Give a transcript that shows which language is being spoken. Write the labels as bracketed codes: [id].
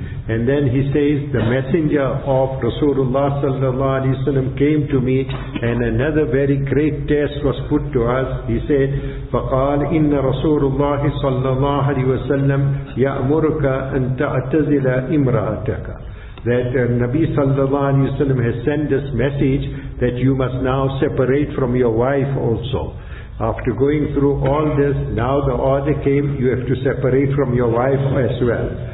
[en] And then he says, the messenger of Rasulullah sallallahu alayhi wa sallam came to me, and another very great test was put to us. He said, [ar] فَقَالْ إِنَّ رَسُولُ اللَّهِ صَلَّى اللَّهُ عَلَيْهِ وَسَلَّمْ يَأْمُرُكَ أَن تَعْتَزِلَ إِمْرَأَتَكَ. [en] That Nabi sallallahu alayhi wa sallam has sent this message that you must now separate from your wife also. After going through all this, now the order came, you have to separate from your wife as well.